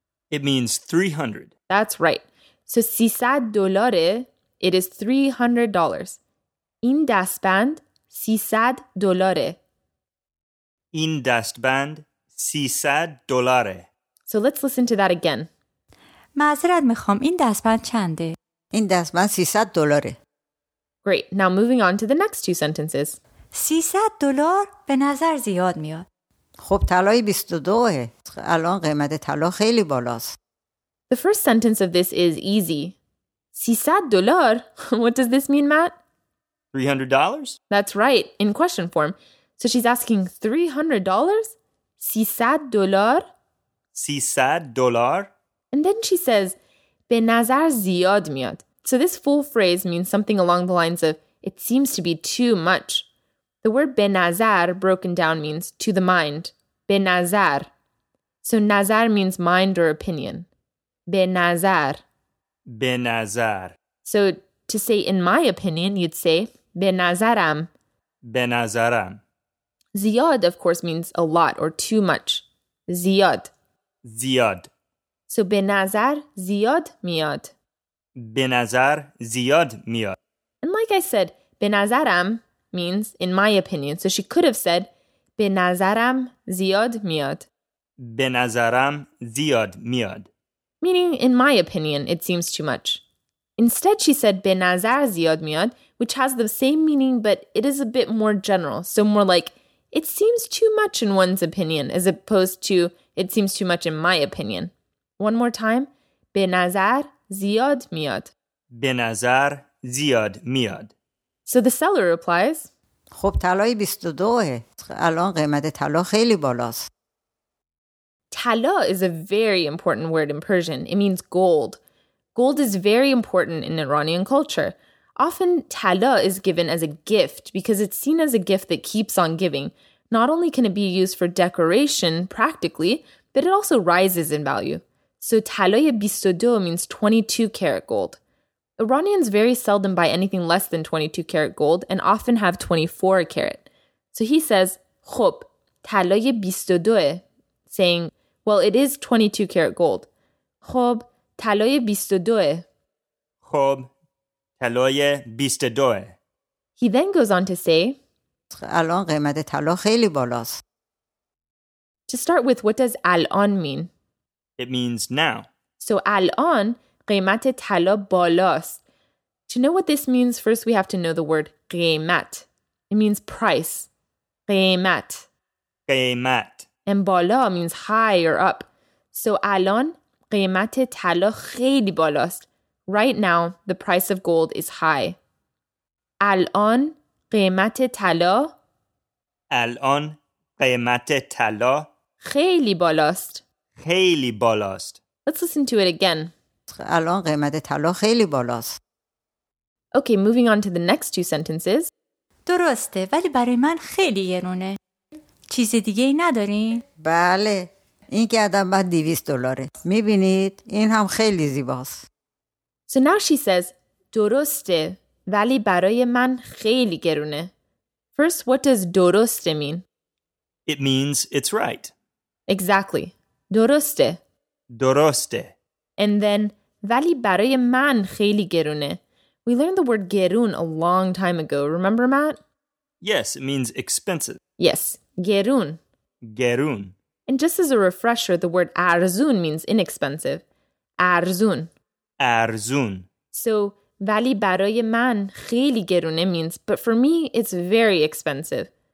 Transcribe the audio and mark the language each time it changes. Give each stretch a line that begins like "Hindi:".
English: It means 300. That's right. So
Persian: 300 دلاره,
English: it is $300.
Persian: این دستبند 300 دلاره. این دستبند 300 دلاره.
English: So let's listen to that again.
Persian: معذرت میخوام این دستبند چنده؟ این دستبند 300 دلاره.
English: Great. Now moving on to the next two sentences.
Persian: 300 دلار به نظر زیاد میاد. خب طلای 22ه. الان قیمت طلا خیلی بالاست.
English: The first sentence of this is easy.
Persian: 300 دلار.
English: What does this mean, Matt? $300? That's right. In question form. So she's asking $300?
Persian: 300 دلار. 300 دلار.
English: And then she says
Persian: به نظر زیاد میاد.
English: So this full phrase means something along the lines of it seems to be too much. The word
Persian: به نظر
English: broken down means to the mind.
Persian: به نظر.
English: So نظر means mind or opinion.
Persian: به نظر. به نظر.
English: So to say in my opinion, you'd say
Persian: به نظرم. به نظرم.
English: زیاد, of course, means a lot or too much.
Persian: زیاد. زیاد. So به نظر زیاد میاد. به نظر زیاد میاد.
English: And like I said,
Persian: به نظرم
English: means in my opinion. So she could have said
Persian: به نظرم زیاد میاد. به نظرم زیاد میاد.
English: Meaning, in my opinion, it seems too much. Instead, she said
Persian: به نظر زیاد میاد,
English: which has the same meaning, but it is a bit more general. So more like, it seems too much in one's opinion, as opposed to, it seems too much in my opinion. One more time.
Persian: به نظر زیاد میاد. به نظر زیاد میاد.
English: So the seller replies,
Persian: خب طلای 22ه. الان قیمت طلا خیلی بالاست.
English: Tala is a very important word in Persian. It means gold. Gold is very important in Iranian culture. Often, tala is given as a gift because it's seen as a gift that keeps on giving. Not only can it be used for decoration, practically, but it also rises in value. So
Persian: talaye 22
English: means 22 karat gold. Iranians very seldom buy anything less than 22 karat gold and often have 24 karat. So he says,
Persian: خب, talaye 22,
English: saying, well, it is 22 karat gold.
Persian: خب, طلای 22. خب, طلای 22.
English: He then goes on to say,
Persian: الان قیمت طلا خیلی بالاست.
English: To start with, what does الان mean? It means now.
Persian: So الان قیمت طلا بالاست.
English: To know what this means, first we have to know the word قیمت. It means price. قیمت.
Persian: قیمت.
English: And بالا means high or up.
Persian: So الان قیمت طلا خیلی بالاست.
English: Right now, the price of gold is high.
Persian: الان قیمت طلا. الان قیمت طلا. خیلی بالاست. خیلی بالاست.
English: Let's listen to it again.
Persian: الان قیمت طلا خیلی بالاست.
English: Okay, moving on to the next two sentences.
Persian: درسته, ولی برای من خیلی گرونه. چیز دیگه ای ندارین؟ بله. این گردن بعد 200 دلاره. میبینید؟ این هم خیلی زیباست.
English: So now she says,
Persian: درسته ولی برای من خیلی گرونه.
English: First, what does درسته mean? It means it's right. Exactly. درسته.
Persian: درسته.
English: And then,
Persian: ولی برای من خیلی گرونه.
English: We learned the word گرون a long time ago. Remember, Matt? Yes, it means expensive. Yes. Gerun.
Persian: Gerun.
English: And just as a refresher, the word arzun means inexpensive.
Persian: Arzun. Arzun.
English: So,
Persian: vali baraye man kheli gerune
English: means, but for me, it's very expensive.